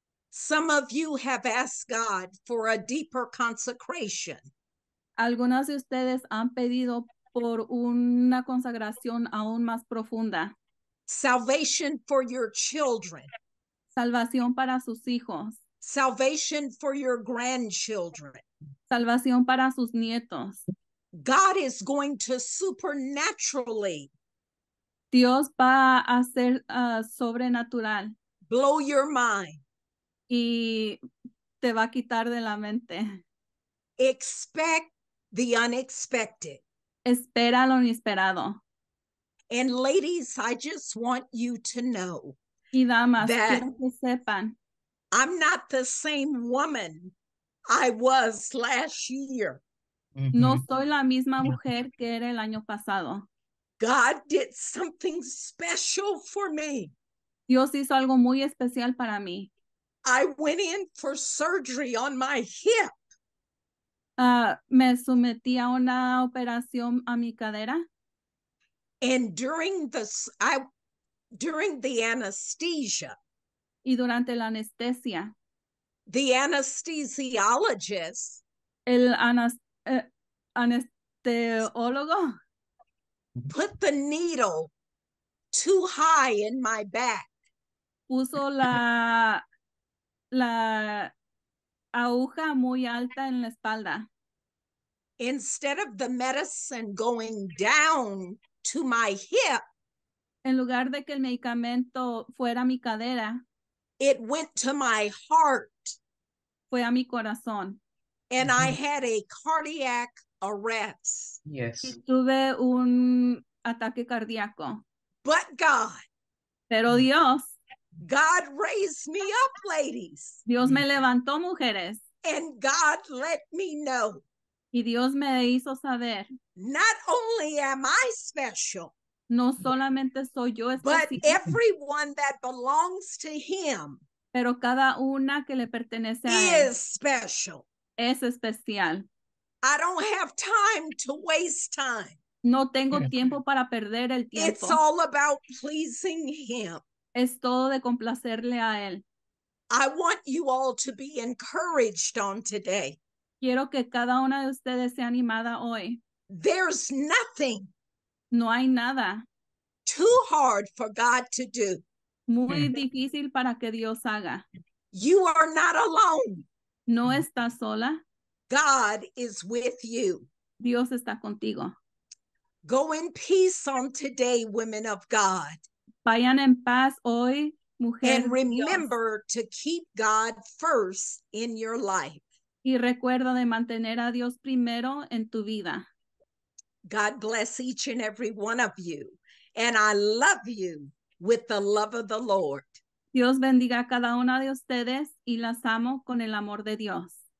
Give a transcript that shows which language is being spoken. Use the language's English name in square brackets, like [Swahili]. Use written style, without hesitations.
[English] Some of you have asked God for a deeper consecration. [Spanish] Algunas de ustedes han pedido por una consagración aún más profunda. [English] Salvation for your children. [Spanish] Salvación para sus hijos. [English] Salvation for your grandchildren. [Spanish] Salvación para sus nietos. [English] God is going to supernaturally. [Spanish] Dios va a hacer sobrenatural. [English] Blow your mind. [Spanish] Y te va a quitar de la mente. [English] Expect the unexpected. [Spanish] Espera lo inesperado. [English] And ladies, I just want you to know. [Spanish] Y damas, quiero que sepan. [English] I'm not the same woman I was last year. [Spanish] No soy la misma mujer que era el año pasado. [English] God did something special for me. [Spanish] Dios hizo algo muy especial para mí. [English] I went in for surgery on my hip. [Spanish] Me sometí a una operación a mi cadera. [English] And during the anesthesia. [Spanish] Y durante la anestesia. [English] The anesthesiologist. [Spanish] El anestesiólogo. [English] Put the needle too high in my back. [Spanish] Puso la aguja muy alta en la espalda. [English] Instead of the medicine going down to my hip. [Spanish] En lugar de que el medicamento fuera mi cadera. [English] It went to my heart. [Spanish] Fue a mi corazón. [English] And I had a cardiac arrest. Yes. [Spanish] Y tuve un ataque cardíaco. [English] But God. [Spanish] Pero Dios. [English] God raised me up, ladies. [Spanish] Dios me levantó, mujeres. [English] And God let me know. [Spanish] Y Dios me hizo saber. [English] Not only am I special. [Spanish] No solamente soy yo especial. [English] But everyone that belongs to him. [Spanish] Pero cada una que le pertenece a él. [English] Is special. [Spanish] Es especial. [English] I don't have time to waste time. [Spanish] No tengo tiempo para perder el tiempo. [English] It's all about pleasing him. [Spanish] Es todo de complacerle a él. [English] I want you all to be encouraged on today. [Spanish] Quiero que cada una de ustedes sea animada hoy. [English] There's nothing. [Spanish] No hay nada. [English] Too hard for God to do. [Spanish] Muy difícil para que Dios haga. [English] You are not alone. [Spanish] No estás sola. [English] God is with you. [Spanish] Dios está contigo. [English] Go in peace on today, women of God. [Spanish] Vayan en paz hoy, mujeres. [English] And remember to keep God first in your life. [Spanish] Y recuerda de mantener a Dios primero en tu vida. [English] God bless each and every one of you. And I love you with the love of the Lord. [Spanish] Dios bendiga a cada una de ustedes y las amo con el amor de Dios.